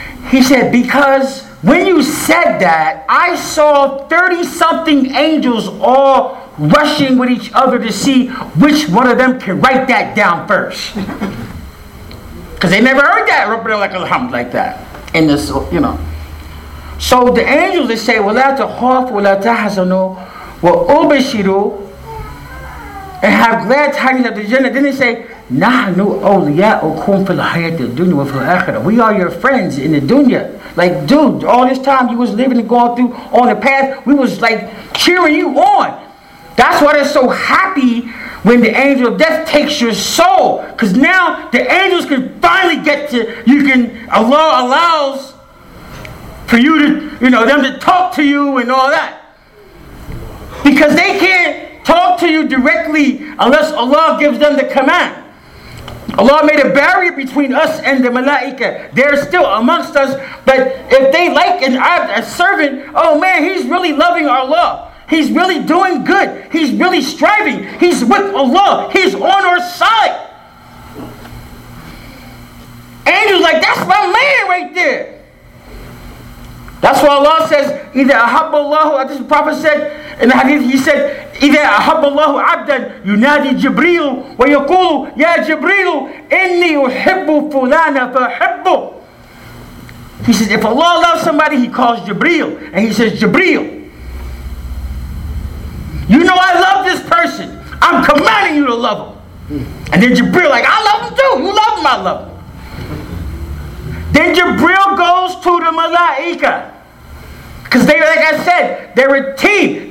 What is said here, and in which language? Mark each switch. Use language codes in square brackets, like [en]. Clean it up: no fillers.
[en] He said, because when you said that, I saw 30-something angels all rushing with each other to see which one of them can write that down first. Because they never heard that, like that. In this, you know. So the angels, they say, [ar] وَلَا تَخَافُ وَلَا تَحَزَنُوا وَأُبَشِرُوا [en] and have glad tidings of the Jannah. [ar] Then they say, نَحْنُ أَوْلِيَاءُكُمْ فِي الْحَيَاةِ الدُّنْيَا وَفِي الْآخِرَةِ. [en] We are your friends in the dunya. Like, dude, all this time you was living and going through on the path, we was like cheering you on. That's why they're so happy when the angel of death takes your soul. Because now the angels can finally get to, you can, Allah allows for you to, you know, them to talk to you and all that. Because they can't talk to you directly unless Allah gives them the command. Allah made a barrier between us and the malaika. They're still amongst us, but if they like an abd, a servant, oh man, he's really loving Allah. He's really doing good. He's really striving. He's with Allah. He's on our side. Angels like, that's my man right there. That's why Allah says, [ar] إِذَا أَحَبَّ اللَّهُ عَبْدًا, [en] this prophet said, in the hadith, he said, [ar] إِذَا أَحَبَّ اللَّهُ عَبْدًا يُنَادِي جِبْرِيلُ وَيَقُولُ يَا جِبْرِيلُ إِنِّي أُحِبُّ فُلَانَ فَأَحِبُّ. [en] He says, if Allah loves somebody, he calls Jibreel. And he says, Jibreel, you know I love this person. I'm commanding you to love him. And then Jibreel like, I love him too. You love him, I love him. Then Jibreel goes to the Malaika. Because they, like I said, they're a team.